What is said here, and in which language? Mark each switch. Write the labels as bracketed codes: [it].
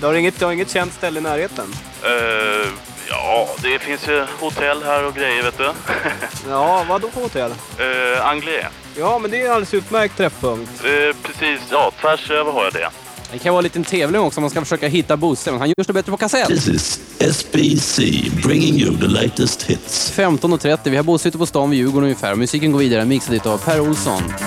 [sv] Du har inget känt ställe i närheten? Ja, det finns ju hotell här och grejer, vet du. Ja, vad då för hotell? Anglais. Ja, men det är alldeles utmärkt träffpunkt. Precis, ja, tvärs över har jag det. Det kan vara en liten tävling också om man ska försöka hitta Bosse, men han gör det bättre på kassett. [en] This is SBC, bringing you the latest hits. [sv] 15.30, vi har Bosse ute på stan vid Djurgården ungefär. Musiken går vidare, mixad lite av Per Olsson.